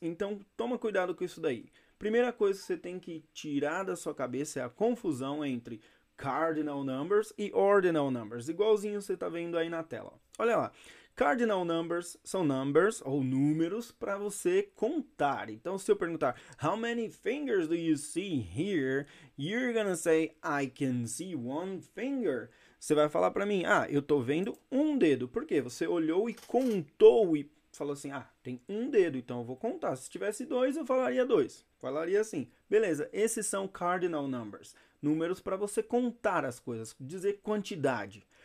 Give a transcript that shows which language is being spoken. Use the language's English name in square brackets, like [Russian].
[Portuguese] Então, toma cuidado com isso daí. Primeira coisa que você tem que tirar da sua cabeça é a confusão entre Cardinal Numbers e Ordinal Numbers, igualzinho você está vendo aí na tela. Olha lá, Cardinal Numbers são numbers ou números para você contar. Então, se eu perguntar, [English] how many fingers do you see here? You're gonna say, I can see one finger. [Portuguese] Você vai falar para mim, ah, eu estou vendo um dedo. Por quê? Você olhou e contou e falou assim, ah, tem um dedo, então eu vou contar. Se tivesse dois, eu falaria dois. Falaria assim. Beleza, esses são cardinal numbers. Números para você contar as coisas, dizer quantidade.